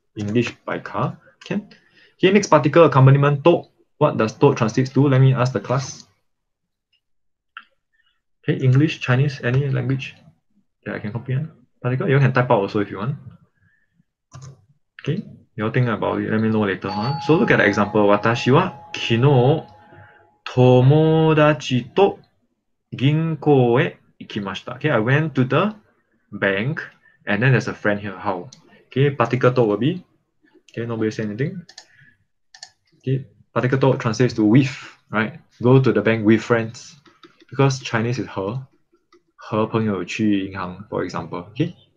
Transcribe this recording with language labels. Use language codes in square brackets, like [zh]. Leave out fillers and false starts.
[en] English by car, can? Okay, next particle accompaniment, to. What does to translate to? Let me ask the class. Okay, English, Chinese, any language that I can comprehend? Particle, you can type out also if you want. Okay, you all think about it. Let me know later. Huh? So look at the example. [ja] 私は昨日友達と銀行へ行きました. [en] Okay, I went to the bank and then there's a friend here. How? Okay, particle to will be. Okay, nobody say anything. Okay. Particle to translates to with, right? Go to the bank with friends. Because Chinese is 和. [zh] 和朋友去银行, [en] for example. Okay?